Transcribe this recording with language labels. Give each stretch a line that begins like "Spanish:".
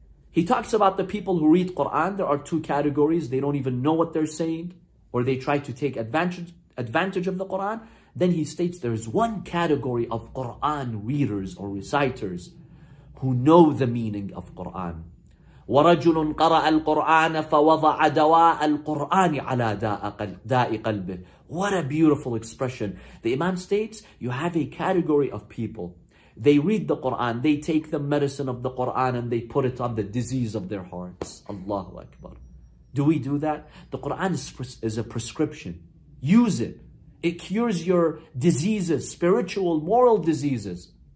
English: He talks about the people who read Quran. There are two categories. They don't even know what they're saying, or they try to take advantage of the Qur'an. Then he states there is one category of Qur'an readers or reciters who know the meaning of Qur'an.
Arabic: وَرَجُلٌ قَرَأَ الْقُرْآنَ فَوَضَعَ دَوَاءَ الْقُرْآنِ عَلَىٰ دَاءِ قَلْبِهِ
English: What a beautiful expression. The Imam states, you have a category of people. They read the Qur'an, they take the medicine of the Qur'an and they put it on the disease of their hearts. Allahu Akbar. Do we do that? The Qur'an is a prescription. Use it. It cures your diseases, spiritual, moral diseases.